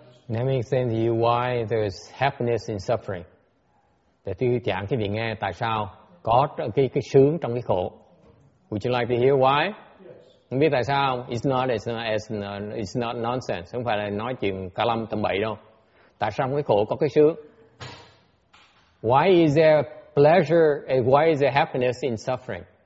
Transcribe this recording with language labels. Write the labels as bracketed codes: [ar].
[en] Let me explain to you why there's happiness in suffering. [vi] Để tôi giảng cho quý vị nghe tại sao có cái sướng trong cái khổ. [en] Would you like to hear why? Yes. [vi] Không biết tại sao. [en] It's not nonsense. [vi] Không phải là nói chuyện cá lâm tầm bậy đâu. Tại sao cái khổ có cái sướng? [en] Why is there pleasure? Why is there happiness in suffering?